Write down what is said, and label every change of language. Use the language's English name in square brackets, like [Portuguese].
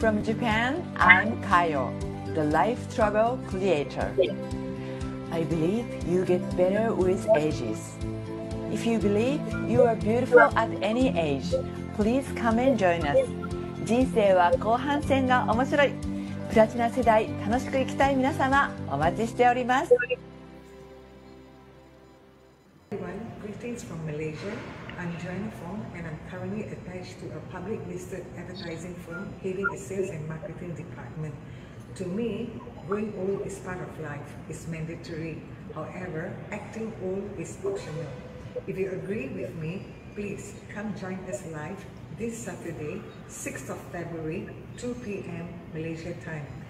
[English] From Japan, I'm Kayo, the life struggle creator. I believe you get better with ages. If you believe you are beautiful at any age, please come and join us. [Japanese] 人生は後半戦が面白い。プラチナ世代、楽しく生きたい皆様、お待ちしております。 [English] Greetings from Malaysia. I'm Joanna Fong and I'm currently attached to a public listed advertising firm heading the sales and marketing department. To me, growing old is part of life, it's mandatory. However, acting old is optional. If you agree with me, please come join us live this Saturday, 6th of February, 2 p.m. Malaysia time.